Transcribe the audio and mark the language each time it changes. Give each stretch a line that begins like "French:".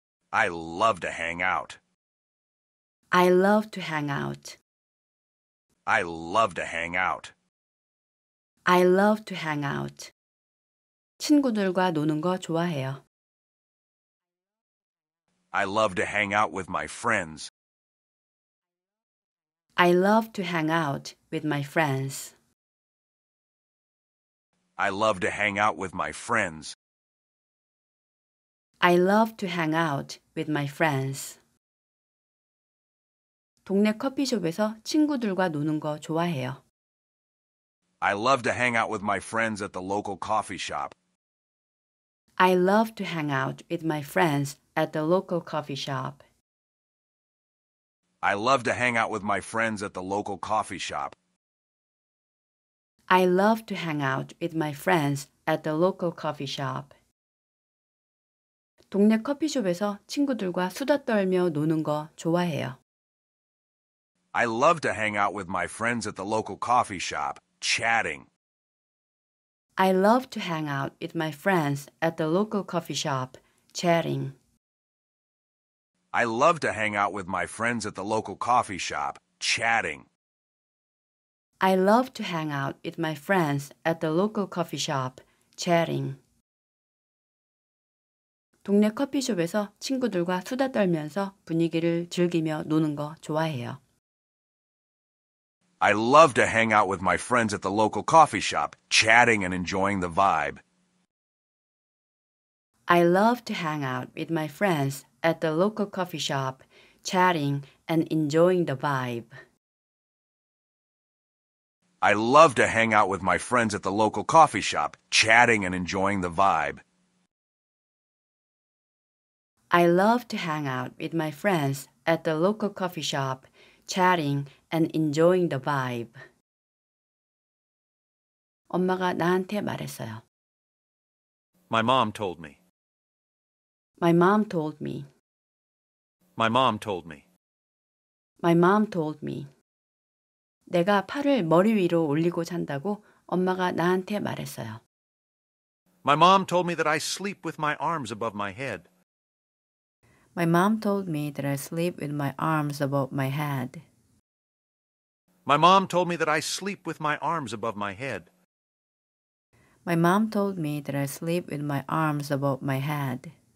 English: I love to hang out. I love to hang out. I love to hang out. I love to hang out.
Korean: 친구들과 노는 거 좋아해요.
English: I love to hang out with my friends. I love to hang out with my friends. I love to hang out with my friends. I love to hang out with my friends.
Korean: 동네 커피숍에서 친구들과 노는 거 좋아해요.
English: I love to hang out with my friends at the local coffee shop. I love to hang out with my friends at the local coffee shop. I love to hang out with my friends at the local coffee shop. I love to hang out with my friends at the local coffee shop.
Korean: 동네 커피숍에서 친구들과 수다 떨며 노는 거 좋아해요.
English: I love to hang out with my friends at the local coffee shop, chatting. I love to hang out with my friends at the local coffee shop, chatting. I love to hang out with my friends at the local coffee shop, chatting. I love to hang out with my friends at the local coffee shop, chatting.
Korean: 동네 커피숍에서 친구들과 수다 떨면서 분위기를 즐기며 노는 거 좋아해요.
English: I love to hang out with my friends at the local coffee shop, chatting and enjoying the vibe. I love to hang out with my friends at the local coffee shop, chatting and enjoying the vibe. I love to hang out with my friends at the local coffee shop, chatting and enjoying the vibe. I love to hang out with my friends at the local coffee shop, chatting and enjoying the vibe.
Korean: 엄마가 나한테 말했어요.
English: My mom told me. My mom told me. My mom told me. My mom told me.
Korean: 내가 팔을 머리 위로 올리고 잔다고 엄마가 나한테 말했어요.
English: My mom told me that I sleep with my arms above my head. My mom told me that I sleep with my arms above my head. My mom told me that I sleep with my arms above my head. My mom told me that I sleep with my arms above my head.